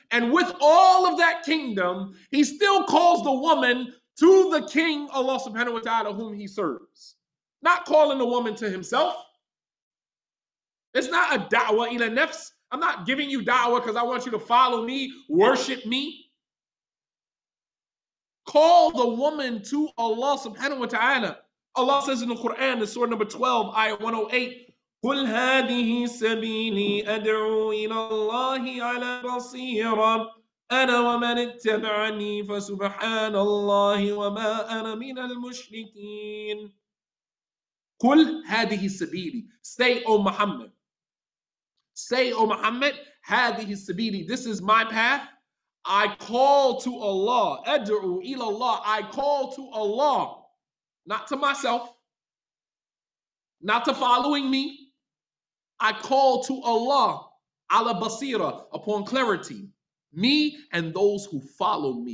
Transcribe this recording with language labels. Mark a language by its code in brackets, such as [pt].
[en] And with all of that kingdom, he still calls the woman to the king, Allah subhanahu wa ta'ala, whom he serves. Not calling the woman to himself. It's not a da'wah ila nafs. I'm not giving you da'wah because I want you to follow me, worship me. Call the woman to Allah subhanahu wa ta'ala. [ar] Allah says in the Quran, in surah number 12, ayah 108, قُلْ هَذِهِ سَبِيلِي أَدْعُوا إِلَى اللَّهِ عَلَى بَصِيرًا أَنَا وَمَنِ اتَّبَعَنِي فَسُبْحَانَ اللَّهِ وَمَا أَنَا مِنَ الْمُشْرِكِينَ قُلْ هَذِهِ سَبِيلِي [en] Say, O Muhammad. Say, O Muhammad, [ar] هَذِهِ سَبِيلِي [en] This is my path. I call to Allah. [ar] أَدْعُوا إِلَى اللَّهِ [en] I call to Allah, not to myself. Not to following me, I call to Allah, ala basira, upon clarity, me and those who follow me.